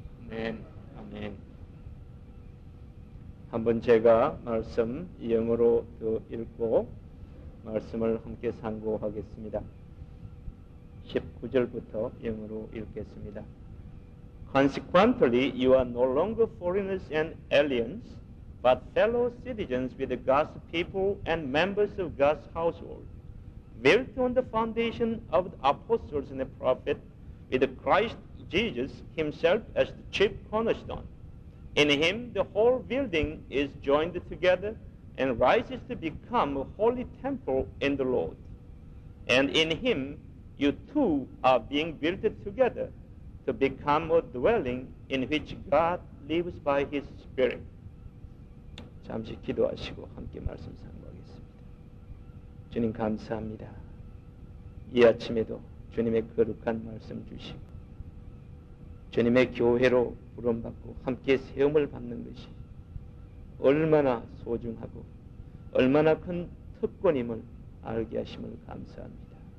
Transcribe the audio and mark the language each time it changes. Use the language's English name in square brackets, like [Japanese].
[Korean] 아멘. 아멘. 한번 제가 말씀 영어로 더 읽고 말씀을 함께 상고하겠습니다. 19절부터 영어로 읽겠습니다. [English] Consequently, you are no longer foreigners and aliens, but fellow citizens with God's people and members of God's household, built on the foundation of the apostles and the prophets, with Christ Jesus himself as the chief cornerstone. In him, the whole building is joined together and rises to become a holy temple in the Lord. And in him, you two are being built together to become a dwelling in which God lives by His Spirit. [Korean] 잠시 기도하시고 함께 말씀 상고하겠습니다. 주님 감사합니다. 이 아침에도 주님의 거룩한 말씀 주시고 주님의 교회로 부름받고 함께 세움을 받는 것이 얼마나 소중하고 얼마나 큰 특권임을 알게 하심을 감사합니다.